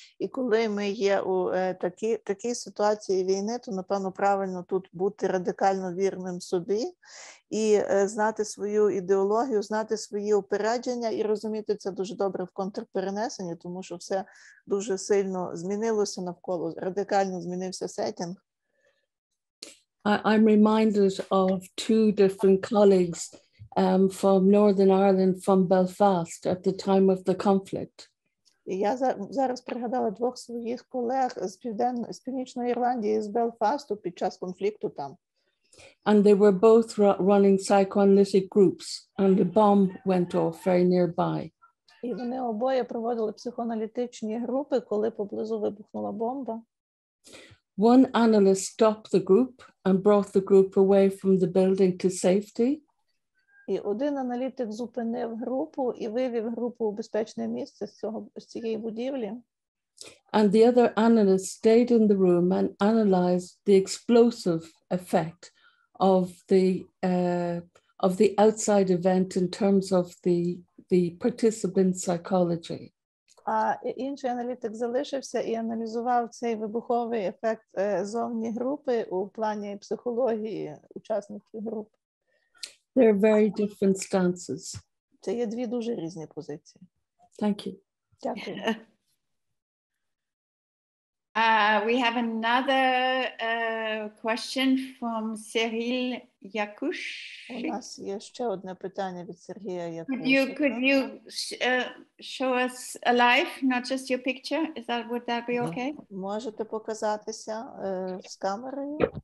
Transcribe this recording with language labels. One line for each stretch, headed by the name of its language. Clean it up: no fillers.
Ukrainian: І коли ми є у такій ситуації війни, то, напевно, правильно тут бути радикально вірним собі і знати свою ідеологію, знати свої упередження і розуміти це дуже добре в контрперенесенні, тому що все дуже сильно змінилося навколо, радикально змінився сетінг.
English: I'm reminded of two different colleagues from Northern Ireland, from Belfast, at the time of the conflict.
Ukrainian: Я зараз пригадала двох своїх колег з Північної Ірландії, з Белфасту, під час конфлікту там.
English: And they were both running psychoanalytic groups, and a bomb went off very nearby.
Ukrainian: І вони обоє проводили психоаналітичні групи, коли поблизу вибухнула бомба.
English: One analyst stopped the group and brought the group away from the building to safety.
Ukrainian: І один аналітик зупинив групу і вивів групу у безпечне місце з цієї будівлі.
English: And the other analyst stayed in the room and analyzed the explosive effect of the of the outside event in terms of the participant psychology.
Ukrainian: А інший аналітик залишився і аналізував цей вибуховий ефект зовні групи у плані психології учасників групи.
English: There are very different stances.
Ukrainian: Це є дві дуже різні позиції.
English: Thank you.
Ukrainian: Дякую.
English: We have another question from Cyril Yakush.
Ukrainian: У нас є ще одне питання від Сергія Якуша.
English: Could you show us a life, not just your picture? Is that, would that be okay?
Ukrainian: Можете показатися з камерою?